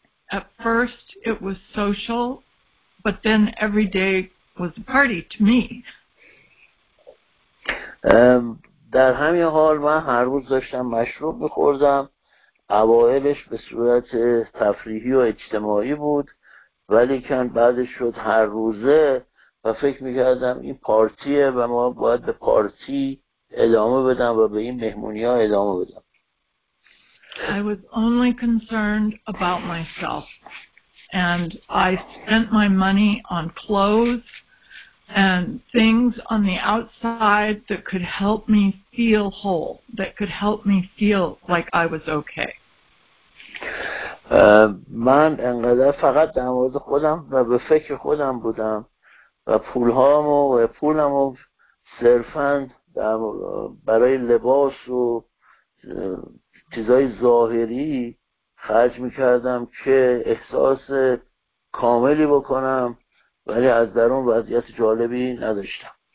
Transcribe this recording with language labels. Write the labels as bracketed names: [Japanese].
[English] At first it was social, but then every day was a party to me. [Persian] در همین حال من هر روز داشتم مشروب می خوردم. اوائلش به صورت تفریحی و اجتماعی بود ولی کن بعدش شد هر روزه و فکر میکردم این پارتیه و ما باید به پارتی ادامه بدم و به این مهمونی ها ادامه بدم. [English] I was only concerned about myself and I spent my money on clothes and things on the outside that could help me feel whole, that could help me feel like I was okay. [Persian] من انقدر فقط در مورد خودم و به فکر خودم بودم و پولهامو و پولمو صرفا برای لباس و چیزای ظاهری خرج میکردم که احساس کاملی بکنم ولی از درون وضعیت جالبی نداشتم.